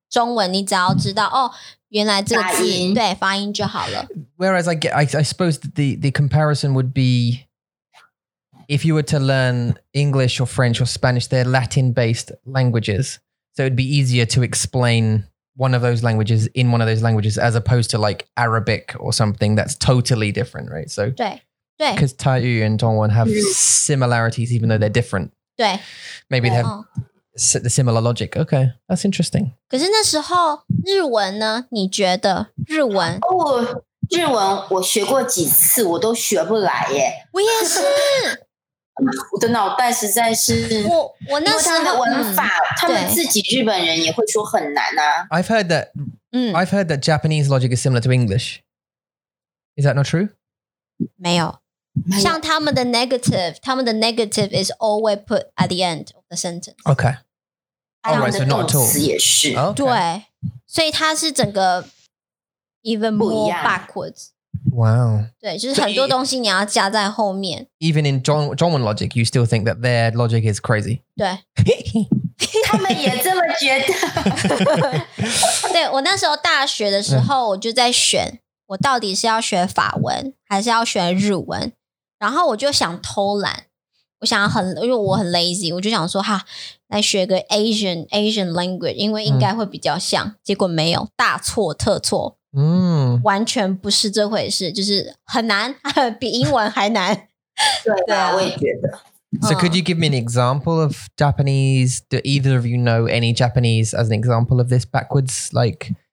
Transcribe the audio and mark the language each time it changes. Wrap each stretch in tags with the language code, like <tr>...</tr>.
<zh>中文，你只要知道哦，原来这个字对发音就好了。</zh> <en>Whereas I suppose the comparison would be if you were to learn English or French or Spanish, they're Latin based languages, so it'd be easier to explain one of those languages in one of those languages as opposed to like Arabic or something that's totally different, right? So</en> <zh>对，</zh> <en>because 泰语 and 中文 have similarities even though they're different.</en> <zh>对</zh> <en>maybe 对 they have、哦。The similar logic. Okay, that's interesting.</en> <zh>可是那时候日文呢？你觉得日文？哦、oh, ，日文我学过几次，我都学不来耶。我也是，我的脑袋实在是我那时候的文法、嗯，他们自己日本人也会说很难啊。</zh> <en>I've heard that.、嗯、I've heard that Japanese logic is similar to English. Is that not true?</en> <zh>没有。像他们的</zh> <en>negative,</en> <zh>他们的</zh> <en>negative is always put at the end of the sentence. Okay. All right, so not at all.</en> <zh>也是、</zh> <en>okay.</en> <zh>对，所以它是整个</zh> <en>even more backwards. Wow.</en> <zh>对，就是很多东西你要加在后面。</zh> <en>So, even in 中文 logic, you still think that their logic is crazy.</en> <zh>对，他们也这么觉得。对，我那时候大学的时候，我就在选。我到底是要学法文还是要学日文？然后我就想偷懒，我想很，因为我很 lazy， 我就想说哈，来学个</zh> <en>Asian language，</en> <zh>因为应该会比较像。嗯、结果没有，大错特错，嗯，完全不是这回事，就是很难，比英文还难。对啊，我也觉得。</zh> <en>So could you give me an example of Japanese? Do either of you know any Japanese as an example of this backwards like?</en>